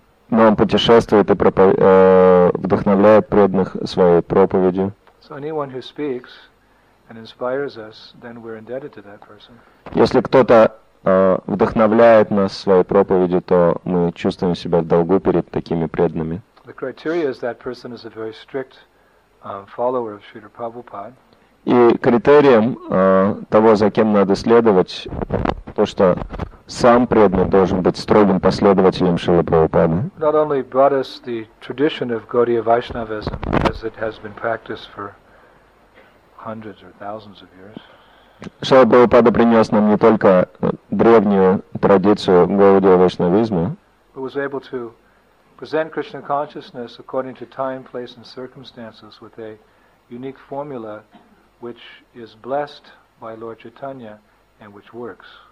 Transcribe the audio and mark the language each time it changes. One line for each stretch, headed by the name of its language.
Russian: Но он путешествует и вдохновляет преданных своей проповедью.
English: So anyone who speaks and inspires us, then we're indebted to that person.
Russian: Если кто-то вдохновляет нас своей проповедью, то мы чувствуем себя в долгу перед такими преданными.
English: The criteria is that person is a very strict follower of Śrīla Prabhupāda.
Russian: И критерием того, за кем надо следовать, то, что сам преданный должен быть строгим последователем Шрилы Прабхупады.
English: Not only brought us the tradition of Gaudiya Vaishnavism, as it has been practiced for hundreds or thousands of years.
Russian: Шрила Прабхупада принес нам не только древнюю традицию Гаудия Вайшнавизма,
English: but was able to present Krishna consciousness according to time, place and circumstances with a unique formula which is blessed by Lord Chaitanya and which works.